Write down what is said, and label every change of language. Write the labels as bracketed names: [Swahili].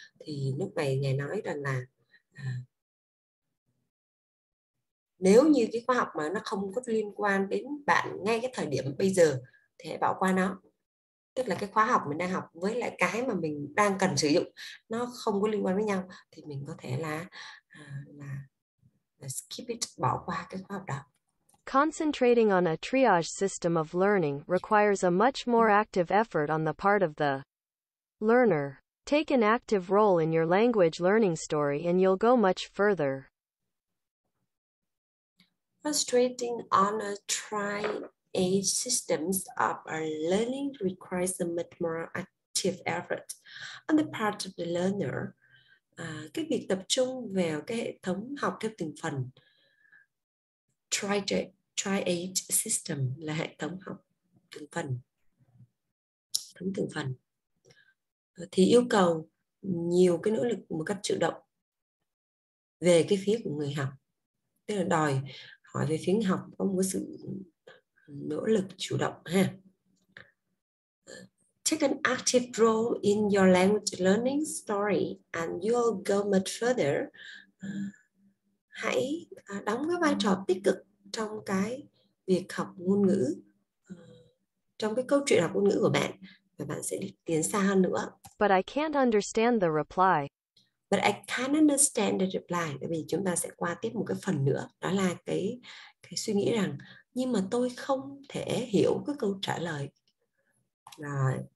[Vietnamese] Thì lúc này ngài nói rằng là nếu như cái khóa học mà nó không có liên quan đến bạn ngay cái thời điểm bây giờ thì hãy bỏ qua nó. Tức là cái khóa học mình đang học với lại cái mà mình đang cần sử dụng nó không có liên quan với nhau, thì mình có thể là [English] skip it, [Vietnamese] bỏ qua cái khóa học đó. [English] Concentrating on a triage system of learning requires a much more active effort on the part of the learner. Take an active role in your language learning story and you'll go much further. Concentrating on a triage systems of our learning requires a much more active effort on the part of the learner. [Vietnamese] Cái việc tập trung vào cái hệ thống học theo từng phần [English] triage system [Vietnamese] là hệ thống học từng phần, thống từng phần, thì yêu cầu nhiều cái nỗ lực một cách chủ động về cái phía của người học, tức là đòi hỏi về phía học có một sự nỗ lực chủ động ha. [English] Take an active role in your language learning story and you'll go much further. [Vietnamese] Hãy đóng cái vai trò tích cực trong cái việc học ngôn ngữ, trong cái câu chuyện học ngôn ngữ của bạn, và bạn sẽ đi tiến xa hơn nữa. [English] But I can't understand the reply. But I can't understand the reply. [Vietnamese] Bởi vì chúng ta sẽ qua tiếp một cái phần nữa, đó là cái suy nghĩ rằng nhưng mà tôi không thể hiểu cái câu trả lời. Rồi.